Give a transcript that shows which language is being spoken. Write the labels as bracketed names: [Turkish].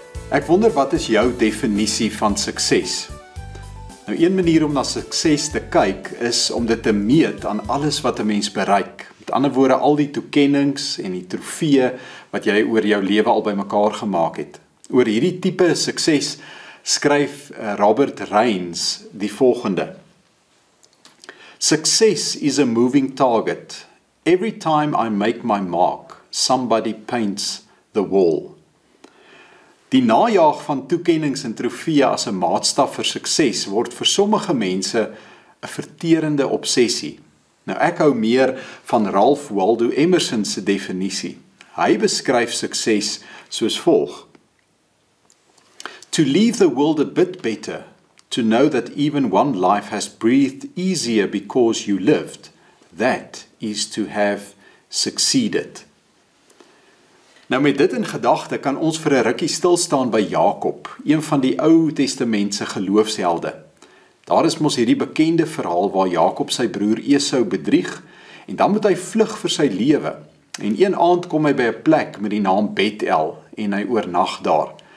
[Afrikaans] Ek wonder wat is jou definisie van sukses? Nou een manier om na sukses te kyk is om dit te meet aan alles wat 'n mens bereik. Met ander woorde al die toekenninge en die trofee wat jy oor jou lewe al bymekaar gemaak het. Oor hierdie tipe sukses skryf Robert Reins die volgende. [English] Success is a moving target. Every time I make my mark, somebody paints the wall. [Afrikaans] Die najaag van toekenninge en trofee as 'n maatstaf vir sukses word vir sommige mense 'n verterende obsessie. Nou ek hou meer van Ralph Waldo Emerson se definisie. Hy beskryf sukses soos volg. [English] To leave the world a bit better, to know that even one life has breathed easier because you lived, that is to have succeeded. [Afrikaans] Nou met dit in gedagte kan ons vir 'n rukkie stilstaan by Jakob, een van die Ou Testamentse geloofshelde. Daar is mos hierdie bekende verhaal waar Jakob sy broer Esau bedrieg en dan moet hy vlug vir sy lewe. En een aand kom hy by 'n plek met die naam Bethel en hy oornag daar.